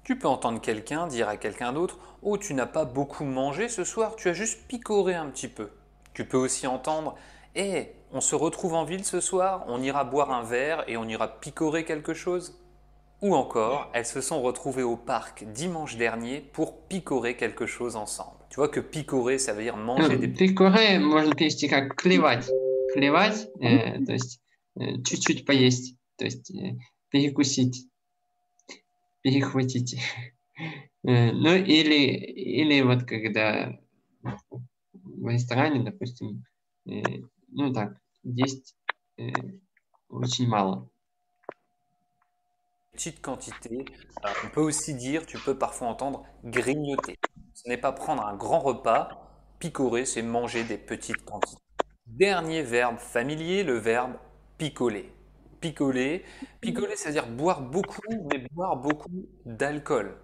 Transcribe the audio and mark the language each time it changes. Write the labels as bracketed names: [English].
[French] Tu peux entendre quelqu'un dire à quelqu'un d'autre « oh, tu n'as pas beaucoup mangé ce soir, tu as juste picoré un petit peu ». Tu peux aussi entendre « hey, on se retrouve en ville ce soir, on ira boire un verre et on ira picorer quelque chose ». Ou encore, elles se sont retrouvées au parc dimanche dernier pour picorer quelque chose ensemble. Tu vois que picorer, ça veut dire manger des... [Russian] Picorer, можно перевести как клевать. Клевать, то есть чуть-чуть поесть, то есть перекусить, перехватить. Ну или вот когда в ресторане, допустим, ну так, есть очень мало. [French] Petite quantité, on peut aussi dire, tu peux parfois entendre grignoter. Ce n'est pas prendre un grand repas, picorer, c'est manger des petites quantités. Dernier verbe familier, le verbe picoler. Picoler, picoler, c'est-à-dire boire beaucoup, mais boire beaucoup d'alcool.